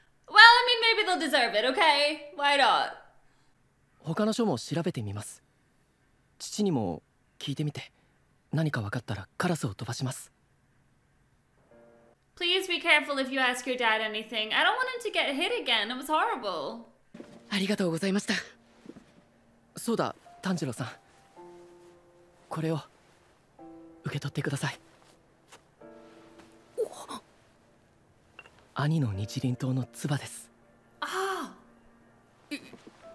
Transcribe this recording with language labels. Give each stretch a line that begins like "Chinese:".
English: Well, I mean, maybe they'll deserve it, okay? Why not?
Japanese: 他の書も調べてみます。父にも聞いてみて。何か分かったらカラスを飛ばします。
English: Please be careful if you ask your dad anything. I don't want him to get hit again. It was horrible.
Japanese: ありがとうございました。そうだ、炭治郎さん。これを受け取ってください。兄の日輪刀の唾です。ああ。